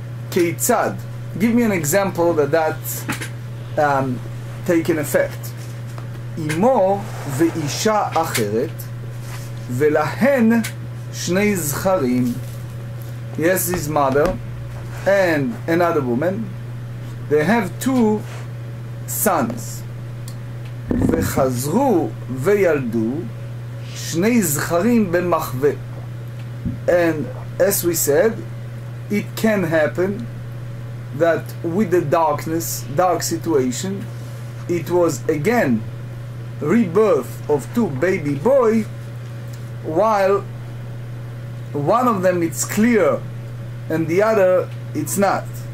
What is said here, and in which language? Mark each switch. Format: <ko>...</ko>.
<en>Keitzad, give me an example that that taken effect.</en> <he>Imo ve'isha acheret ve'lahen shnei zcharim.</he> <en>Yes, his mother and another woman, they have two sons.</en> <he>וחזרו וילדו שני זכרים במחווה.</he> <en>And as we said, it can happen that with the darkness, dark situation, it was again rebirth of two baby boy, while one of them it's clear and the other it's not.</en>